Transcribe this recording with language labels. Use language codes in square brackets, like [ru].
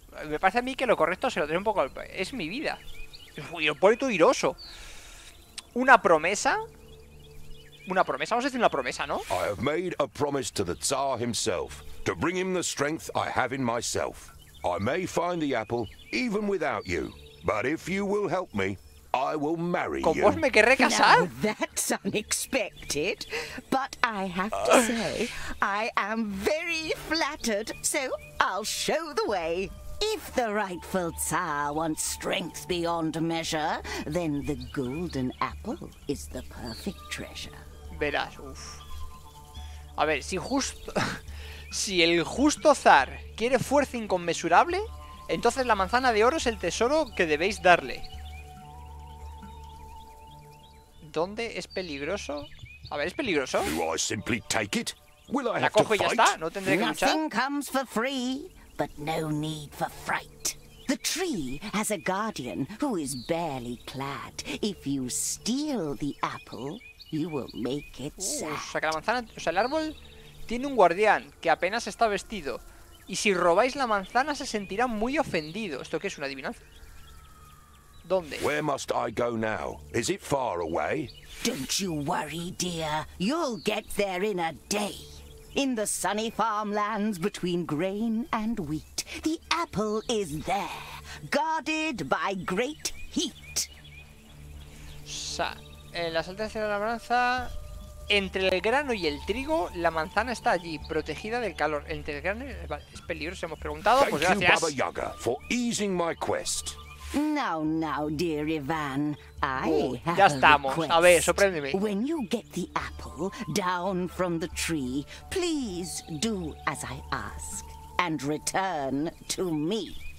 [es] Me parece a mí que lo correcto se lo trae un poco al... Es mi vida. Y el poeta iroso. Una promesa. Una promesa, vamos a decir una promesa, ¿no? [en] I have made a promise to the Tsar himself to bring him the strength I have in myself. I may find the apple even without you, but if you will help me, I will marry you. [es] ¿Con vos me querré casar? [en] Now, that's unexpected, but I have to say, I am very flattered, so I'll show the way. If the rightful Tsar wants strength beyond measure, then the golden apple is the perfect treasure. [es] Verás, uff. A ver, si justo... Si el justo Tsar quiere fuerza inconmensurable, entonces la manzana de oro es el tesoro que debéis darle. ¿Dónde es peligroso? A ver, ¿es peligroso? [en] Do I simply take it? Will I [es] la [en] have [es] cojo [en] to [es] y ya [en] fight? [es] Está, no tendré que luchar. [en] Nothing comes for free, but no need for fright. The tree has a guardian who is barely clad. If you steal the apple, you will make it sad. [es] O sea, que la manzana, o sea, el árbol tiene un guardián que apenas está vestido. Y si robáis la manzana, se sentirá muy ofendido. ¿Esto qué es, una adivinanza? ¿Dónde? [en] Where must I go now? Is it far away? Don't you worry, dear. You'll get there in a day. In the sunny farmlands between grain and wheat, the apple is there, guarded by great heat. [es] O sea, en las altas de la labranza, entre el grano y el trigo, la manzana está allí, protegida del calor. Entre el grano, es peligroso, hemos preguntado. [en] Thank [es] pues gracias. [en] Thank you, Baba Yaga, for easing my quest. Now, now, dear Ivan, I have [es] ya estamos. [en] A request. [es] A ver, sorpréndeme. [en] When you get the apple down from the tree, please do as I ask and return to me.